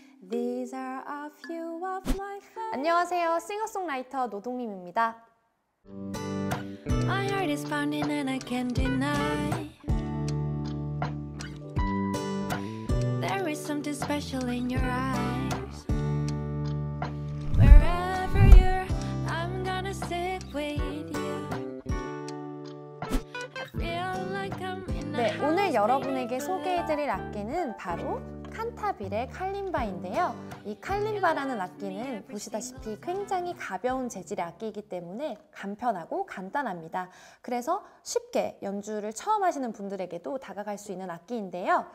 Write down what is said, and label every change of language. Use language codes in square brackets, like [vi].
[en] These are a few of my friends. [ko] 안녕하세요, 싱어송라이터 노동님입니다. [en] My heart is pounding and I can't deny. There is something special in your eyes. Wherever you're, I'm gonna sit with you. I feel like I'm in a house. [ko] 네, 오늘 여러분에게 소개해드릴 악기는 바로 칸타빌의 칼림바인데요. 이 칼림바라는 악기는 보시다시피 굉장히 가벼운 재질의 악기이기 때문에 간편하고 간단합니다. 그래서 쉽게 연주를 처음 하시는 분들에게도 다가갈 수 있는 악기인데요.